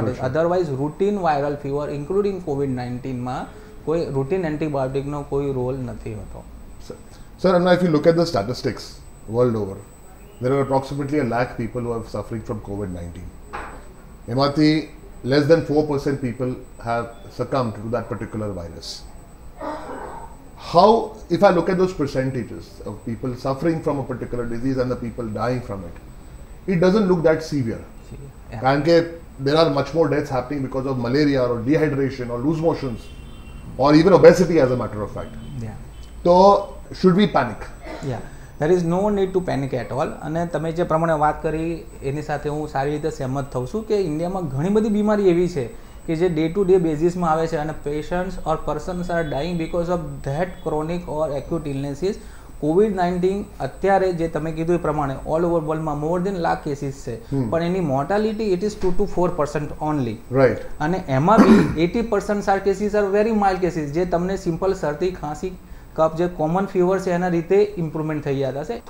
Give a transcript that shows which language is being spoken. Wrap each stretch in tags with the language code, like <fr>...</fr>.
<gu>Otherwise routine viral fever including COVID-19માં કોઈ routine એન્ટીબાયોટિકનો કોઈ role નથી હોતો.</gu> <en>Sir, અને if you look at the statistics world over, there are approximately 1 lakh people who are suffering from COVID-19. એમાંથી less than 4% people have succumb to that particular virus. How, if I look at those percentages of people suffering from a particular disease and the people dying from it, it doesn't look that severe. Because there are much more deaths happening because of malaria or dehydration or loose motions or even obesity as a matter of fact. So, should we panic? Yeah, there is no need to panic at all. And you talked about this, I would like to say that in India, there are many diseases.</en> <gu>કે જે day to day બેઝિસમાં આવે છે અને</gu> <en>Patients or persons are dying because of that chronic or acute illnesses.</en> <gu>COVID-19 અત્યારે જે તમે કીધું એ પ્રમાણે ઓલ ઓવર વર્લ્ડમાં મોર દેન 1 લાખ કેસીસ છે, પણ એની mortality it is 2-4% only,</gu> <en>Right?</en> <gu>અને એમાં બી</gu> <en>80% are cases are very mild cases,</en> <gu>જે તમને સિમ્પલ શરદી ખાંસી કફ જે કોમન ફીવર છે એના રીતે ઇમ્પ્રુવમેન્ટ થઈ જતા છે.</gu>